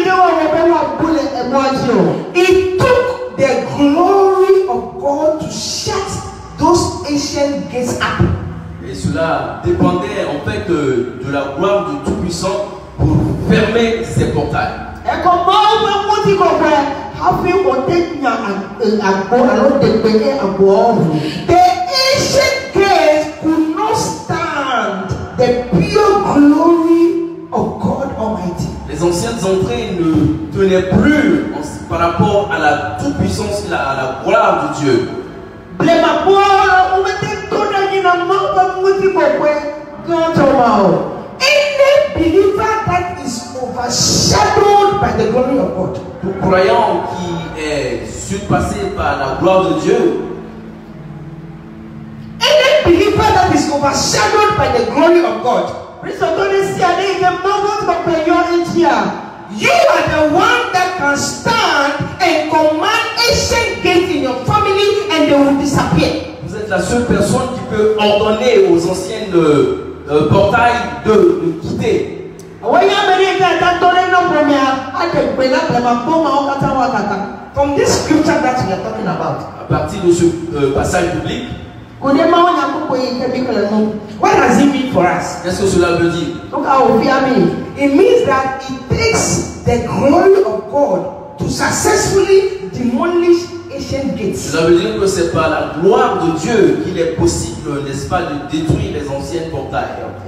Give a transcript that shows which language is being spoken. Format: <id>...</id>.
<en>It took the glory of God to shut those ancient gates up.</en> <fr>Et cela dépendait en fait de la gloire du Tout-Puissant pour fermer ces portails. Et comment vous dites quoi faire?</fr> <en>The ancient gates could not stand the pure glory of God Almighty.</en> <fr>Les anciennes entrées ne tenaient plus par rapport à la toute-puissance, à la gloire de Dieu.</fr> <en>Overshadowed by the glory of God.</en> <fr>Tout croyant qui est surpassé par la gloire de Dieu,</fr> <en>believer that is overshadowed by the glory of God. You are the one that can stand and command ancient gates in your family and they will disappear.</en> <fr>Vous êtes la seule personne qui peut ordonner aux anciens portails de quitter.</fr> <en>From this scripture that we are talking about,</en> <fr>à partir de ce passage biblique,</fr> <en>what does it mean for us?</en> <fr>Qu'est-ce que cela veut dire?</fr> <en>It means that it takes the glory of God to successfully demolish ancient gates.</en> <fr>Cela veut dire que c'est par la gloire de Dieu qu'il est possible, n'est-ce pas, de détruire les anciennes portails.</fr>